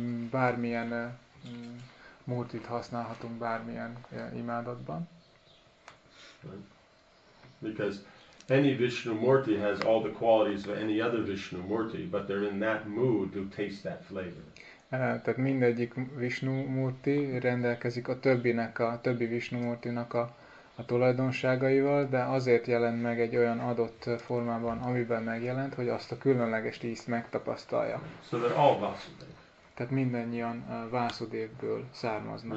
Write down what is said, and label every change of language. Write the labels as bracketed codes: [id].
[hu] Bármilyen murtit használhatunk bármilyen imádatban. [en] Because any Vishnu murti has all the qualities of any other Vishnu murti, but they're in that mood to taste that flavor. [hu] Tehát mindegyik Vishnu murti rendelkezik a többinek, a többi Vishnu murtinak a tulajdonságaival, de azért jelent meg egy olyan adott formában, amiben megjelent, hogy azt a különleges ízt megtapasztalja. [en] So they're all Vasudev. [hu] Tehát mindannyian Vasudevből származnak.